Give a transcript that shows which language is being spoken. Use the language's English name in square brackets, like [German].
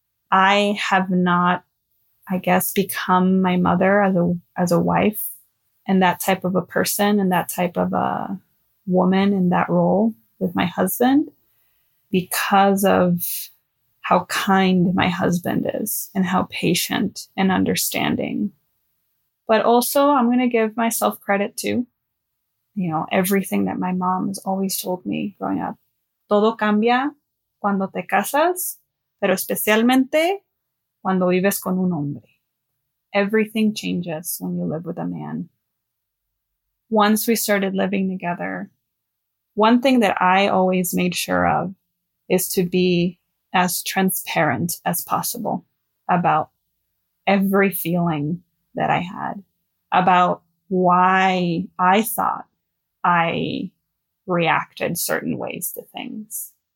[English] I have not, I guess, become my mother as a wife and that type of a person and that type of a woman in that role with my husband because of how kind my husband is and how patient and understanding. But also, I'm going to give myself credit too. You know, everything that my mom has always told me growing up. [Spanish] Todo cambia cuando te casas, pero especialmente cuando vives con un hombre. [English] Everything changes when you live with a man. Once we started living together, one thing that I always made sure of is to be as transparent as possible about every feeling that I had, about why I thought I reacted certain ways to things.